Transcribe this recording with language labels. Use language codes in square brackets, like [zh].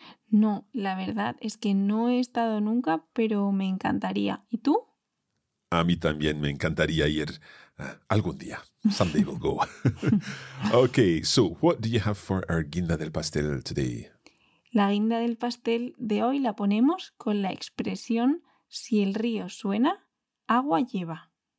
[es] No, la verdad es que no he estado nunca, pero me encantaría. ¿Y tú? A mí también me encantaría ir algún día. [en] Someday we'll go. Okay, so what do you have for our [es] guinda del pastel [en] today? [es] La guinda del pastel de hoy la ponemos con la expresión si el río suena, agua lleva.